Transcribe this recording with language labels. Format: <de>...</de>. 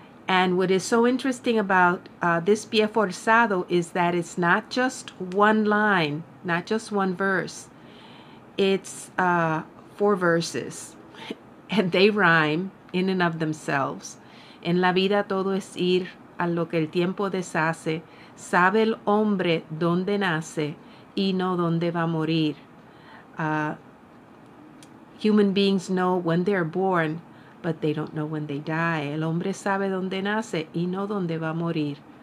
<en>And what is so interesting about this pie forzado is that it's not just one line, not just one verse. It's four verses, and they rhyme in and of themselves.</en> <es>En la vida todo es ir a lo que el tiempo deshace, sabe el hombre donde nace y no donde va a morir.</es> <en>Human beings know when they're born, but they don't know when they die.</en> <es>El hombre sabe dónde nace y no dónde va a morir.</es>